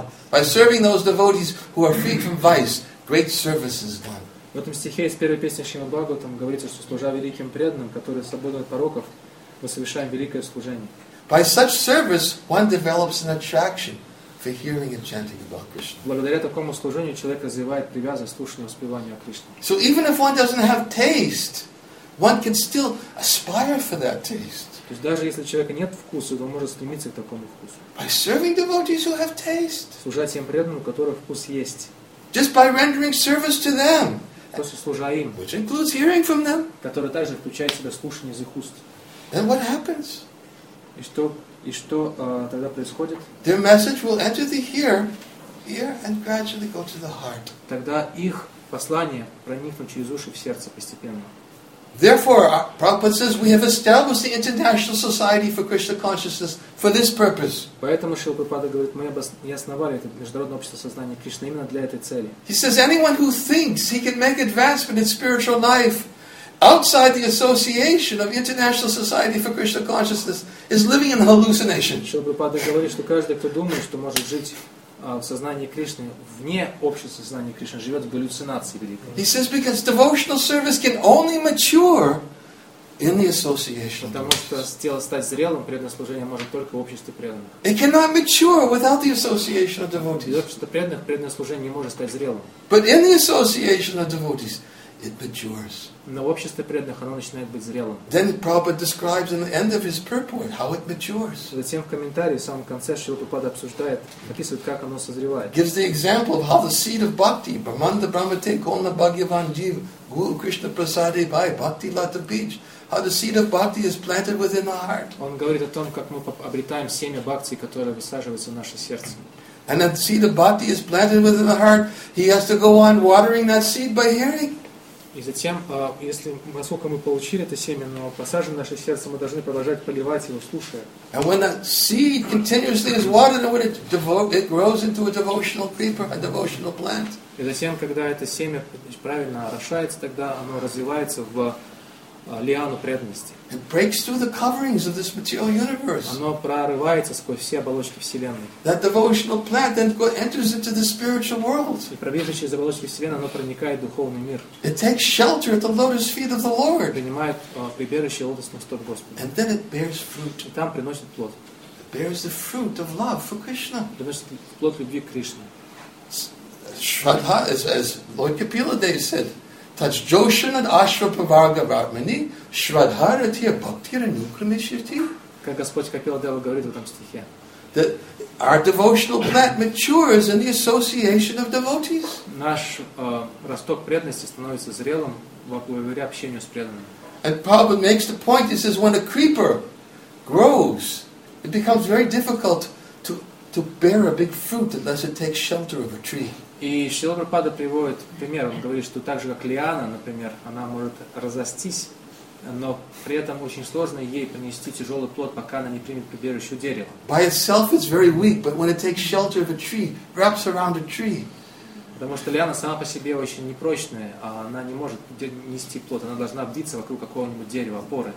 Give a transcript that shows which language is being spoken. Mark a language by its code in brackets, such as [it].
[en] By serving those devotees who are free from vice, great service is done. [ru] В этом стихе из первой песни Шримад Бхагаватам говорится, что служа великим преданным, которые свободны от пороков, мы совершаем великое служение. [en] By such service, one develops an attraction for hearing and chanting about Krishna. [ru] Благодаря такому служению человек развивает привязанность к слушанию и воспеванию о Кришне. [en] So even if one doesn't have taste, one can still aspire for that taste. [ru] То есть даже если у человека нет вкуса, он может стремиться к такому вкусу. [en] By serving devotees who have taste. [ru] Служа тем преданным, у которых вкус есть. [en] Just by rendering service to them. [ru] Просто служа им. [en] Which includes hearing from them. [ru] Который также включает в себя слушание из их уст. [en] Then what happens? [ru] И что тогда происходит? [en] Their message will enter the ear and gradually go to the heart. [ru] Тогда их послание проникнет через уши в сердце постепенно. [en] Therefore, Prabhupada says, we have established the International Society for Krishna Consciousness for this purpose. [ru] Поэтому Шрила Прабхупада говорит, мы основали это международное общество сознания Кришны именно для этой цели. [en] He says, anyone who thinks he can make advancement in spiritual life outside the association of International Society for Krishna Consciousness is living in hallucination. [ru] Шрила Прабхупада говорит, что каждый, кто думает, что может жить в сознании Кришны вне общества сознания Кришны, живет в галлюцинации великой. [en] He says, because devotional service can only mature in the association. [ru] Потому что тело стать зрелым преданное служение может только в обществе преданных. [en] It cannot mature without the association of devotees. [ru] Общество преданных преданное служение не может стать зрелым. [en] But in the association of devotees, it matures. [ru] Но в обществе преданных оно начинает быть зрелым. [en] Then Prabhupada describes in the end of his purport how it matures. [ru] Затем в комментарии в самом конце Шрила Прабхупада обсуждает, описывает, как оно созревает. [en] Gives the example of how the seed of bhakti, [sa] Brahmanda Brahmate Kona Bhagyavan Jeev, Guru Krishna Prasade Bhai, Bhakti Lata [en] Beach, how the seed of bhakti is planted within the heart. [ru] Он говорит о том, как мы обретаем семя бхакти, которое высаживается в наше сердце. [en] And that seed of bhakti is planted within the heart, he has to go on watering that seed by hearing. [ru] И затем, если насколько мы получили это семя, но посажено в наше сердце, мы должны продолжать поливать его, слушая. [en] And when that seed continuously is watered, it grows into a devotional creeper, a devotional plant. [ru] И затем, когда это семя правильно орошается, тогда оно развивается в лиану преданности. [en] It breaks through the coverings of this material universe. [ru] Оно прорывается сквозь все оболочки вселенной. [en] That devotional plant then enters into the spiritual world. [ru] И пробежавшись из оболочки вселенной, оно проникает в духовный мир. [en] It takes shelter at the lotus feet of the Lord. [ru] Принимает прибежище лотосных стоп Господа. [en] And then it bears fruit. [ru] И там приносит плод. [en] It bears the fruit of love for Krishna. [ru] Приносит плод любви к Кришне. [en] Shraddha, as Lord Kapila Dev said. [sa] Touch Joshan and Ashvapavarga Ratmani, Shradharatiya Bhaktira Nukramishati. [ru] Как Господь Капила Дева говорит в этом стихе. [en] That our devotional plant matures in the association of devotees. [ru] Наш росток преданности становится зрелым благодаря общению с преданными. [en] And Prabhupada makes the point, he says, when a creeper grows, it becomes very difficult to bear a big fruit unless it takes shelter of a tree. [ru] И Шрила Прабхупада приводит пример, он говорит, что так же, как лиана, например, она может разрастись, но при этом очень сложно ей принести тяжелый плод, пока она не примет прибежище у дерева. [en] By itself it's very weak, but when it takes shelter of a tree, wraps around a tree. [ru] Потому что лиана сама по себе очень непрочная, а она не может нести плод, она должна обвиться вокруг какого-нибудь дерева, опоры.